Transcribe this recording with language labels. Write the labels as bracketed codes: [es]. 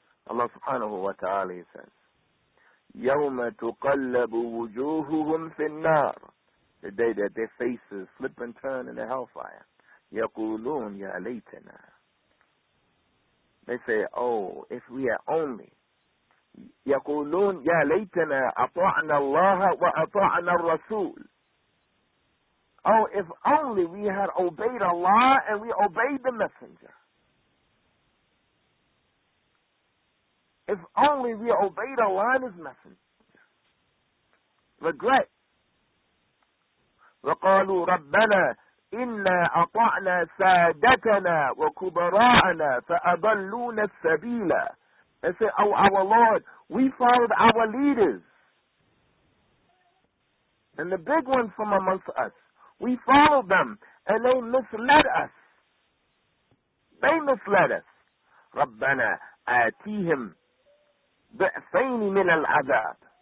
[en] Allah subhanahu wa ta'ala says, [ar] يَوْمَ تُقَلَّبُ وُجُوهُهُمْ فِي النَّارِ, [en] the day that their faces flip and turn in the hellfire. [ar] يَقُولُونَ يَا لَيْتَنَا, [en] They say, oh, if we are only. [ar] يقولون يا ليتنا أطعنا الله وأطعنا الرسول. [en] Oh, if only we had obeyed Allah and we obeyed the messenger. If only we obeyed Allah and his messenger. Regret. [ar] وقالوا ربنا إنا أطعنا سادتنا وكبراءنا فأضلونا السبيلا. [en] They say, oh, our Lord, we followed our leaders. And the big ones from amongst us, we followed them, and they misled us. They misled us. [ar] رَبَّنَا آتِيهِمْ بِعْفَيْنِ مِنَ الْعَذَابِ.